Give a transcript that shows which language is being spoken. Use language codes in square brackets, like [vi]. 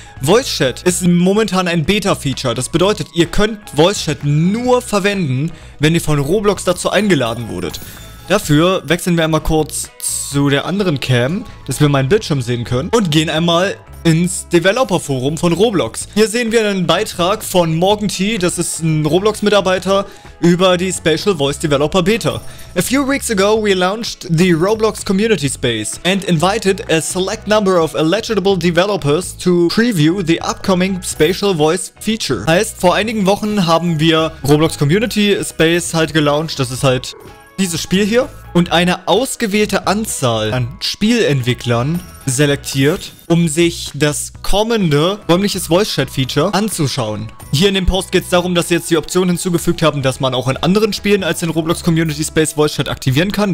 [de] Voice Chat ist momentan ein Beta-Feature. Das bedeutet, ihr könnt Voice Chat nur verwenden, wenn ihr von Roblox dazu eingeladen wurdet. Dafür wechseln wir einmal kurz zu der anderen Cam, dass wir meinen Bildschirm sehen können und gehen einmal ins Developer-Forum von Roblox. Hier sehen wir einen Beitrag von Morgan T, das ist ein Roblox-Mitarbeiter, über die Spatial Voice Developer Beta. [en] A few weeks ago, we launched the Roblox Community Space and invited a select number of eligible developers to preview the upcoming Spatial Voice Feature. [de] Heißt, vor einigen Wochen haben wir Roblox Community Space halt gelauncht, das ist halt dieses Spiel hier, und eine ausgewählte Anzahl an Spielentwicklern selektiert, um sich das kommende räumliches Voice Chat Feature anzuschauen. Hier in dem Post geht es darum, dass sie jetzt die Option hinzugefügt haben, dass man auch in anderen Spielen als in Roblox Community Space Voice Chat aktivieren kann.